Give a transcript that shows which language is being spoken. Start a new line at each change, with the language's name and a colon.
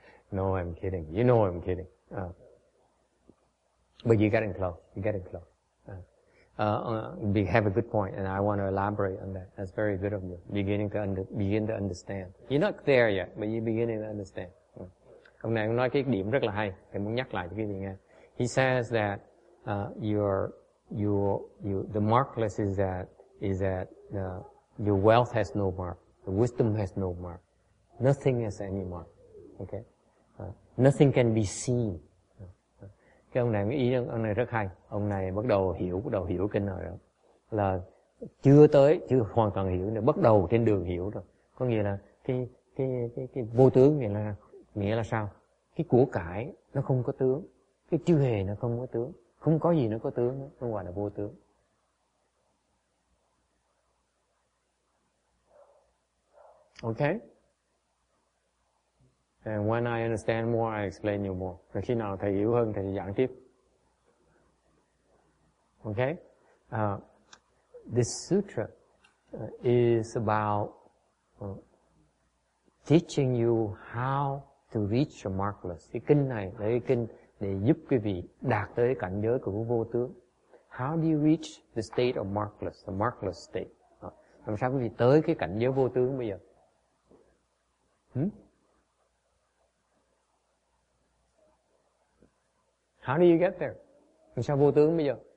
English: No, I'm kidding. You know I'm kidding. But you're getting close. You're getting close. We have a good point, and I want to elaborate on that. That's very good of you. Beginning to understand. You're not there yet, but you're beginning to understand.
Vietnamese: Ông này nói cái điểm rất là hay. Thầy muốn nhắc lại cho quý vị nghe.
English: He says that the markless is that your wealth has no mark. The wisdom has no mark. Nothing has any mark. Okay? Nothing can be seen.
Vietnamese: Cái ông này ý ông này rất hay. Ông này bắt đầu hiểu kinh rồi đó. Là chưa hoàn toàn hiểu nữa, bắt đầu trên đường hiểu rồi. Có nghĩa là cái vô tướng nghĩa là sao? Cái của cải nó không có tướng. Cái chư hề nó không có tướng. Không có gì nó có tướng, nó gọi là vô tướng.
English: Okay. And when I understand more, I explain you more.
Vietnamese: Rồi khi nào thầy hiểu hơn, thầy giảng tiếp.
English: Okay? This sutra is about teaching you how to reach the markless.
Vietnamese: Cái kinh này là cái kinh để giúp quý vị đạt tới cảnh giới của vô tướng.
English: How do you reach the state of markless, the markless state?
Vietnamese: Làm sao quý vị tới cái cảnh giới vô tướng bây giờ?
English: How do you get there?
Vietnamese: Làm sao vô tướng bây giờ?